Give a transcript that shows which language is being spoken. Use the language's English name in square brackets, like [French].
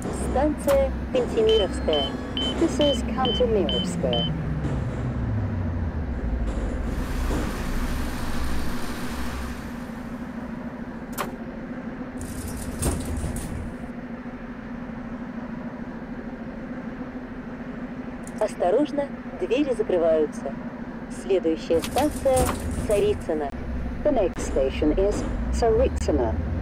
[Russian] Станция Кантемировская. [English] This is Кантемировская. [Russian] Осторожно, двери закрываются. Следующая станция – Царицына. [English] The next station is Царицына.